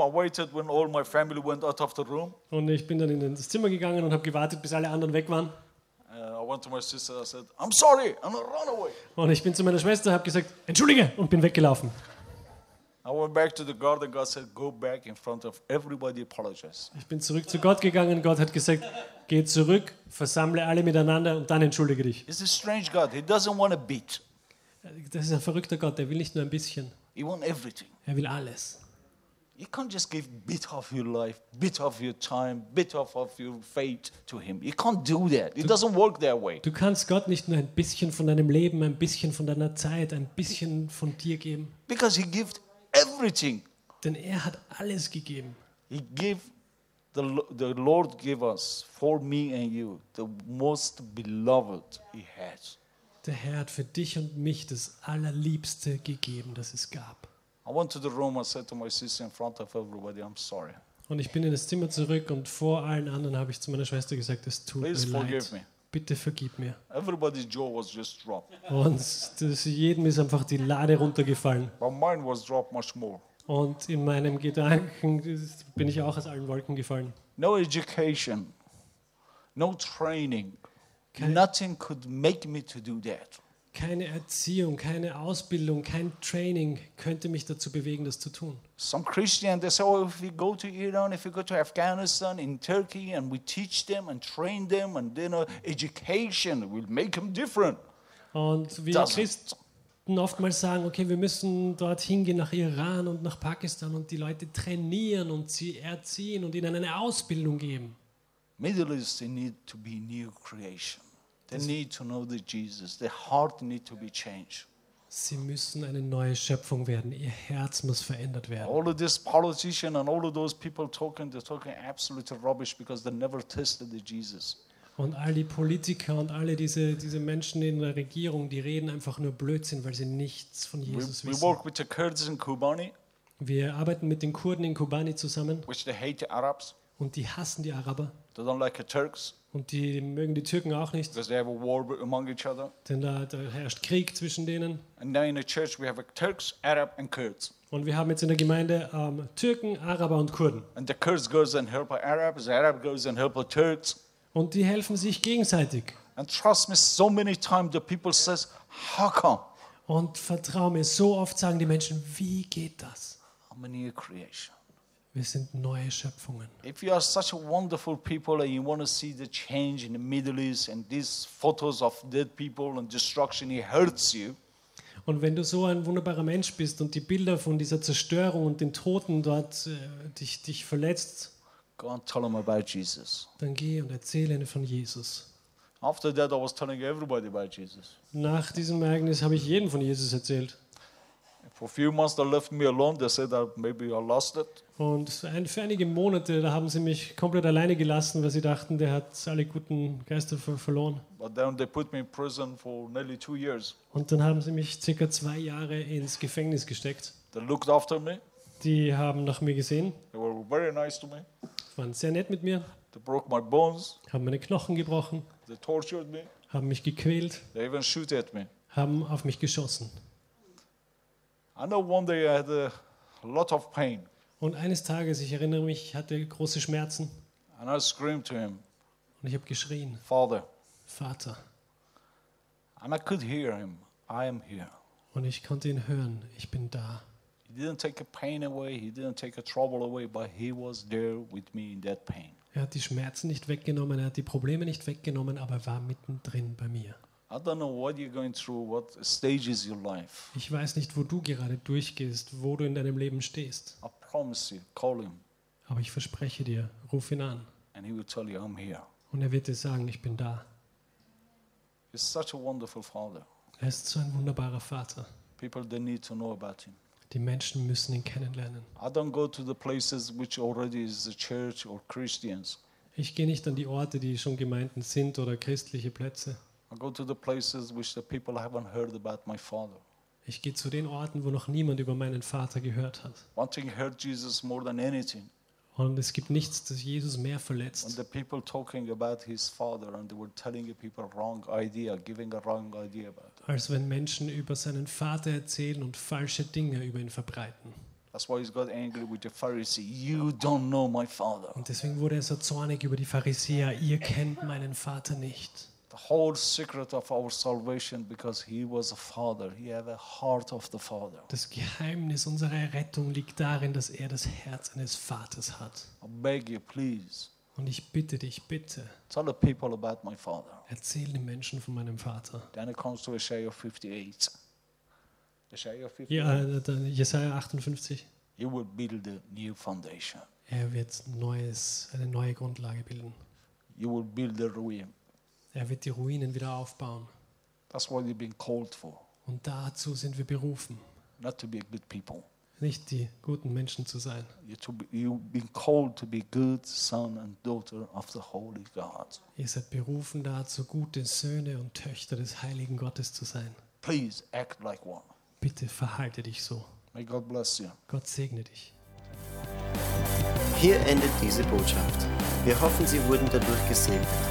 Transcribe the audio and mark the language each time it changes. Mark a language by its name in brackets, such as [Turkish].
[English] I waited when all my family went out of the room. [German] Und ich bin dann in das Zimmer gegangen und habe gewartet, bis alle anderen weg waren. [English] I went to my sister. I said, "I'm sorry. I'm a runaway." [German] Und ich bin zu meiner Schwester, habe gesagt, entschuldige, und bin weggelaufen. [English] I went back to the God, and God said, "Go back in front of everybody. Apologize." [German] Ich bin zurück zu Gott gegangen. Gott hat gesagt, geh zurück, versammle alle miteinander und dann entschuldige dich. [English] It's a strange God. He doesn't want a bit. [German] Das ist ein verrückter Gott. Er will nicht nur ein bisschen. [English] He wants everything. [German] Er will alles. [English] You can't just give bit of your life, bit of your time, bit of your fate to him. You can't do that. It doesn't work that way. [German] Du kannst Gott nicht nur ein bisschen von deinem Leben, ein bisschen von deiner Zeit, ein bisschen von dir geben. [English] Because he gave everything. [German] Denn er hat alles gegeben. [English] He gave the Lord gave us for me and you the most beloved he has. [German] Der Herr hat für dich und mich das allerliebste gegeben, das es gab. [English] I went to the room and said to my sister in front of everybody, "I'm sorry." [German] Und ich bin in das Zimmer zurück und vor allen anderen habe ich zu meiner Schwester gesagt, es tut [English] Please [German] mir [English] forgive [German] leid. [English] Me. [German] Bitte vergib mir. [English] Everybody's jaw was just dropped. [German] Und das, jedem ist einfach die Lade runtergefallen. [English] But mine was dropped much more. [German] Und in meinem Gedanken bin ich auch aus allen Wolken gefallen. [English] No education, no training, nothing could make me to do that. [German] Keine Erziehung, keine Ausbildung, kein Training könnte mich dazu bewegen, das zu tun. [English] Some Christians they say, oh, if we go to Iran, if we go to Afghanistan, in Turkey, and we teach them and train them, and then education will make them different. [German] Und wir Christen oftmals sagen, okay, wir müssen dorthin gehen nach Iran und nach Pakistan und die Leute trainieren und sie erziehen und ihnen eine Ausbildung geben. [English] Middle East, they need to be new creation. They need to know the Jesus. Their heart need to be changed. [German] Sie müssen eine neue Schöpfung werden. Ihr Herz muss verändert werden. [English] All of these politicians and all of those people talking, they're talking absolute rubbish because they never tested the Jesus. [German] Und all die Politiker und alle diese Menschen in der Regierung, die reden einfach nur Blödsinn, weil sie nichts von Jesus wissen. [English] We work with the Kurds in Kobani. [German] Wir arbeiten mit den Kurden in Kobani zusammen. [English] Which they hate the Arabs. [German] Und die hassen die Araber. [English] They don't like the Turks. [German] Und die mögen die Türken auch nicht. [English] Because they have a war among each other. [German] Denn da herrscht Krieg zwischen denen. [English] And now in the church we have Turks, Arab and Kurds. [German] Und wir haben jetzt in der Gemeinde Türken, Araber und Kurden. [English] And the Kurds goes and help the Arabs, the Arab goes and help the Turks. [German] Und die helfen sich gegenseitig. [English] And trust me, so many times the people says, how come? [German] Und vertrau mir, so oft sagen die Menschen, wie geht das? [English] I'm a new creation. [German] Wir sind neue Schöpfungen. [English] If you are such a wonderful people and you want to see the change in the Middle East and these photos of dead people and destruction, it hurts you. [German] Und wenn du so ein wunderbarer Mensch bist und die Bilder von dieser Zerstörung und den Toten dort dich verletzt, [English] go and tell them about Jesus. [German] Dann geh und erzähle ihnen von Jesus. [English] After that, I was telling everybody about Jesus. [German] Nach diesem Ereignis habe ich jedem von Jesus erzählt. [English] For a few months they left me alone. They said that maybe I lost it. [German] Und für einige Monate da haben sie mich komplett alleine gelassen, weil sie dachten, der hat alle guten Geister verloren. [English] But then they put me in prison for nearly 2 years. [German] Und dann haben sie mich circa 2 Jahre ins Gefängnis gesteckt. [English] They looked after me. [German] Die haben nach mir gesehen. [English] They were very nice to me. [German] Waren sehr nett mit mir. [English] They broke my bones. [German] Haben meine Knochen gebrochen. [English] They tortured me. [German] Haben mich gequält. [English] They even shot at me. [German] Haben auf mich geschossen. [English] I know one day I had a lot of pain. [German] Und eines Tages, ich erinnere mich, hatte große Schmerzen. [English] And I screamed to him. [German] Und ich habe geschrien. [English] Father. [German] Vater. [English] And I could hear him. I am here. [German] Und ich konnte ihn hören. Ich bin da. [English] He didn't take a pain away. He didn't take a trouble away. But he was there with me in that pain. [German] Er hat die Schmerzen nicht weggenommen. Er hat die Probleme nicht weggenommen. Aber er war mittendrin bei mir. [English] I don't know what you're going through. What stage is your life? [German] Ich weiß nicht, wo du gerade durchgehst, wo du in deinem Leben stehst. [English] I promise you, call him. [German] Aber ich verspreche dir, ruf ihn an. [English] And he will tell you, I'm here. [German] Und er wird dir sagen, ich bin da. [English] He's such a wonderful father. [German] Er ist so ein wunderbarer Vater. [English] People, they need to know about him. [German] Die Menschen müssen ihn kennenlernen. [English] I don't go to the places which already is a church or Christians. [German] Ich gehe nicht an die Orte, die schon Gemeinden sind oder christliche Plätze. [English] I go to the places which the people haven't heard about my father. [German] Ich gehe zu den Orten, wo noch niemand über meinen Vater gehört hat. [English] One thing hurt Jesus more than anything. [German] Und es gibt nichts, das Jesus mehr verletzt. [English] When the people talking about his father and they were telling the people wrong idea, giving a wrong idea about him. [German] Als wenn Menschen über seinen Vater erzählen und falsche Dinge über ihn verbreiten. [English] That's why he got angry with the Pharisee. You don't know my father. [German] Und deswegen wurde er so zornig über die Pharisäer. Ihr kennt meinen Vater nicht. [English] The whole secret of our salvation, because he was a father. He had a heart of the father. [German] Das Geheimnis unserer Errettung liegt darin, dass er das Herz eines Vaters hat. [English] I beg you, please. [German] Und ich bitte dich, bitte. [English] Tell the people about my father. [German] Erzähl den Menschen von meinem Vater. [English] Then it comes to Isaiah 58. [German] Jesaja 58. [English] He will build a new foundation. [German] Er wird eine neue Grundlage bilden. [English] You will build a ruin. [German] Er wird die Ruinen wieder aufbauen. [English] That's what you've been called for. [German] Und dazu sind wir berufen. [English] Not to be good people. [German] Nicht die guten Menschen zu sein. [English] You've been called to be good son and daughter of the Holy God. [German] Ihr seid berufen dazu, gute Söhne und Töchter des Heiligen Gottes zu sein. [English] Please act like one. [German] Bitte verhalte dich so. [English] May God bless you. [German] Gott segne dich. Hier endet diese Botschaft. Wir hoffen, Sie wurden dadurch gesegnet.